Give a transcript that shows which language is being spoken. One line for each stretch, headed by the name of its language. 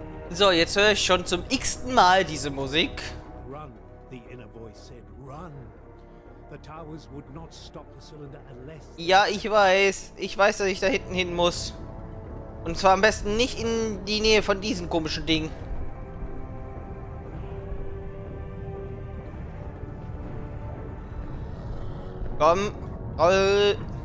German: So, jetzt höre ich schon zum x-ten Mal diese Musik.
English: Run, the inner voice said, run. The towers would not stop the cylinder unless...
German: Ja, ich weiß, dass ich da hinten hin muss. Und zwar am besten nicht in die Nähe von diesem komischen Ding. Komm, roll.